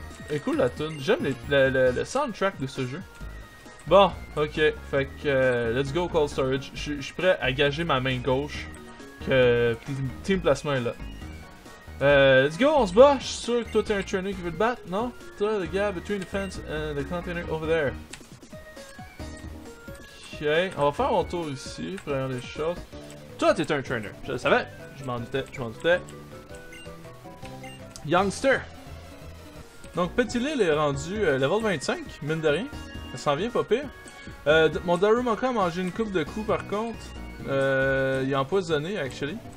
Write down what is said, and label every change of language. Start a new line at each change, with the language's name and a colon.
French: Et cool la toune, j'aime le soundtrack de ce jeu. Bon, ok, fait que let's go Cold Storage. Je suis prêt à gager ma main gauche que Team Placement est là. Let's go, on se bat. Je suis sûr que toi t'es un trainer qui veut te battre, non?
English: Toi, the gap between the fence and the container over there. Ok.
French: on va faire mon tour ici, faire des choses. Toi, t'es un trainer, je le savais. Je m'en doutais. Youngster. Donc, Petit Lille est rendu level 25, mine de rien. Ça s'en vient pas pire. Mon Darumaka a mangé une coupe de coups par contre. Il est empoisonné, actually.